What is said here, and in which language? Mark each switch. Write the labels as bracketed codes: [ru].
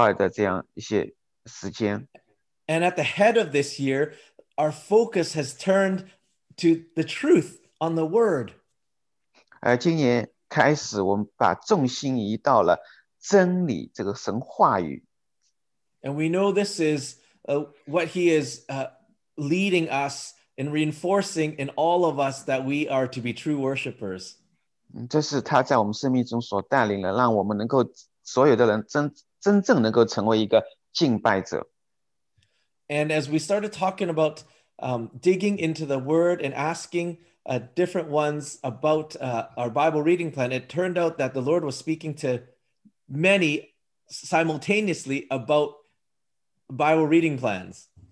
[zh] 在去年年底之前，也是圣灵带领我们来经历这一系列的这个在圣灵中得力这样的一些周二的这样一些时间。 [en] And at the head of this year, our focus has turned to the truth on the word. [zh] 而今年开始，我们把重心移到了真理，这个神话语。 [en] And we know this is what he is leading us and reinforcing in all of us that we are to be true worshipers. [zh] 这是他在我们生命中所带领的，让我们能够所有的人真正能够成为一个敬拜者。 [en] And as we started talking about digging into the word and asking different ones about our Bible reading plan, it turned out that the Lord was speaking to many simultaneously about Bible reading plans.